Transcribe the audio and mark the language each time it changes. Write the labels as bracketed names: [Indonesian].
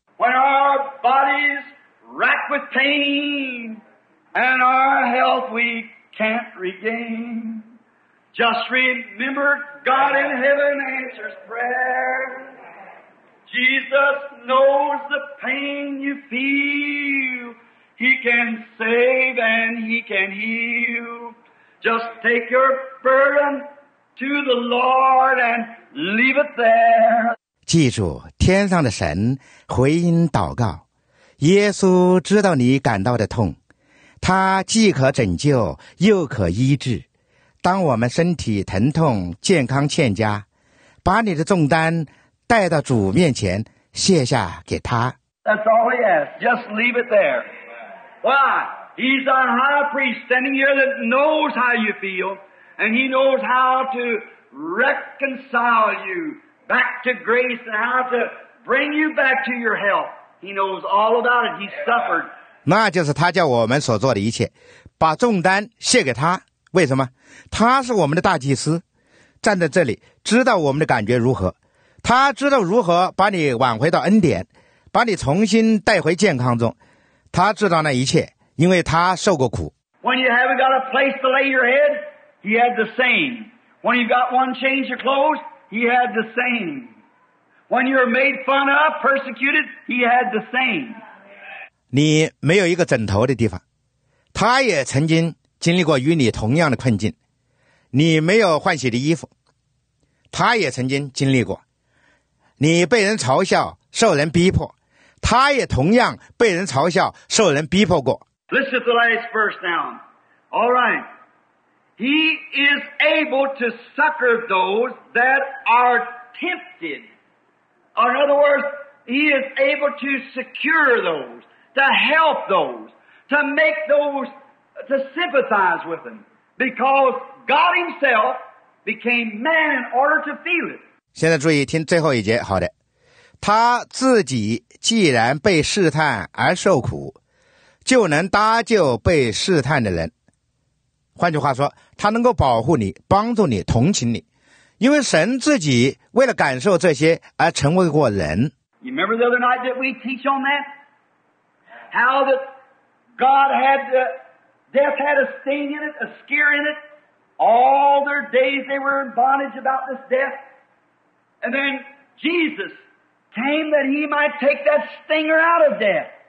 [English] When our bodies rack with pain and our health we can't regain, just remember God in heaven answers prayerJesus knows the pain you feel. He can save and he can heal. Just take your burden to the Lord and leave it there. [Chinese] 记住，天上的神回应祷告，耶稣知道你感到的痛。它既可拯救又可医治。当我们身体疼痛，健康欠佳，把你的重担带到主面前卸下给他。 [English] That's all he has. Just leave it there. Why? He's a high priest standing here that knows how you feel, and he knows how to reconcile you back to grace and how to bring you back to your health. He knows all about it. He suffered. [Chinese] 那就是他叫我们所做的一切，把重担卸给他。为什么？他是我们的大祭司，站在这里，知道我们的感觉如何。他知道如何把你挽回到恩典，把你重新带回健康中。他知道那一切，因为他受过苦。 [English] When you haven't got a place to lay your head, he had the same. When you got one change of clothes, he had the same. When you were made fun of, persecuted, he had the same. [Chinese] 你没有一个枕头的地方，他也曾经经历过与你同样的困境。你没有换洗的衣服，他也曾经经历过。你被人嘲笑，受人逼迫，他也同样被人嘲笑，受人逼迫过。 [English] Listen to the last verse now. All right. He is able to succor those that are tempted. In other words, he is able to secure those, to help those, to make those, to sympathize with them. Because God himself became man in order to feel it. [Chinese] 现在注意听最后一节。好的，他自己既然被试探而受苦，就能搭救被试探的人。换句话说，他能够保护你，帮助你，同情你，因为神自己为了感受这些而成为过人。 [English] You remember the other night that we teach on that? How that God had the, death had a sting in it, a scare in it. All their days they were in bondage about this deathAnd then Jesus came that he might take that stinger out of death.